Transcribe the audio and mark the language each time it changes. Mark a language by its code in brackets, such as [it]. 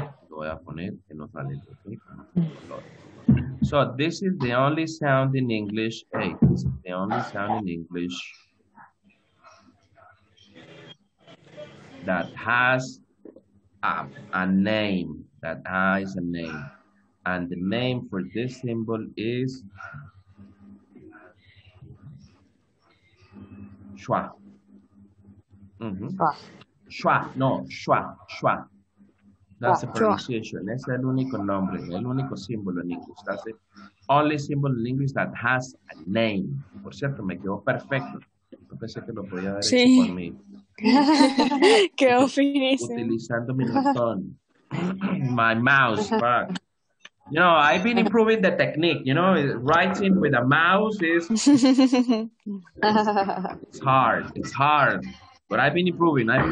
[es] Lo voy a poner en otra letra, okay? [en] So this is the only sound in English. Hey, this is the only sound in English that has a name. And the name for this symbol is schwa. Schwa. Schwa. That's the pronunciation. [es] Es el único nombre, el único símbolo en inglés. [en] That's the only symbol in English that has a name. [es] Por cierto, me quedó perfecto. Yo pensé que lo podía haber hecho por mí. Quedó finísimo. Utilizando mi ratón. [en] My mouse. Fuck. You know, I've been improving the technique. You know, writing with a mouse is... It's hard. But I've been improving.